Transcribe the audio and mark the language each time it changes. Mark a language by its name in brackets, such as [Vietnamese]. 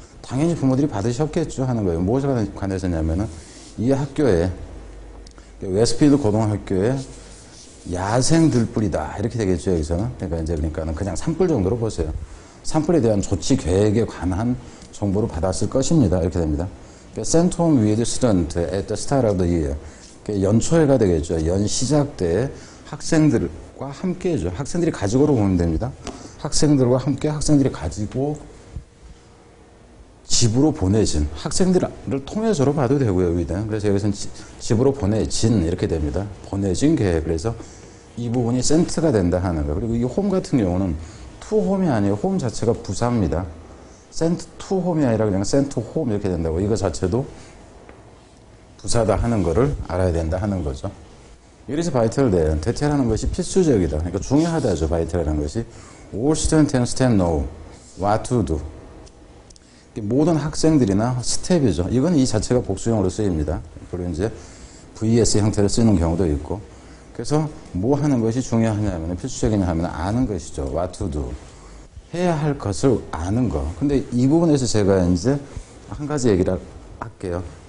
[Korean] 당연히 부모들이 받으셨겠죠 하는 거예요. 무엇에 관해서냐면은, 이 학교에 웨스트필드 고등학교에 야생들뿔이다 이렇게 되겠죠 여기서는. 그러니까는 그냥 산불 정도로 보세요. 산불에 대한 조치 계획에 관한 정보를 받았을 것입니다 이렇게 됩니다. [English] Sent home with student at the start of the year. [Korean] 연초회가 되겠죠. 연 시작 때 학생들과 함께죠. 학생들이 가지고로 보면 됩니다. 학생들과 함께 학생들이 가지고 집으로 보내진, 학생들을 통해서로 봐도 되고요, 여기다. 그래서 여기서는 집으로 보내진, 이렇게 됩니다. 보내진 계획. 그래서 이 부분이 센트가 된다 하는 거예요. 그리고 이홈 같은 경우는 투 홈이 아니에요. 홈 자체가 부사입니다. 센트 투 홈이 아니라 그냥 센트 홈 이렇게 된다고. 이거 자체도 부사다 하는 거를 알아야 된다 하는 거죠. [English] It is vital that, [Korean] 대체라는 것이 필수적이다. 그러니까 중요하다죠, 바이탈이라는 것이. [English] All students and staff know what to do. [Korean] 모든 학생들이나 스텝이죠. 이건 이 자체가 복수형으로 쓰입니다. 그리고 이제 VS 형태로 쓰이는 경우도 있고. 그래서 뭐 하는 것이 중요하냐면, 필수적이냐 하면 아는 것이죠. [English] What to do. [Korean] 해야 할 것을 아는 거. 근데 이 부분에서 제가 이제 한 가지 얘기를 할게요.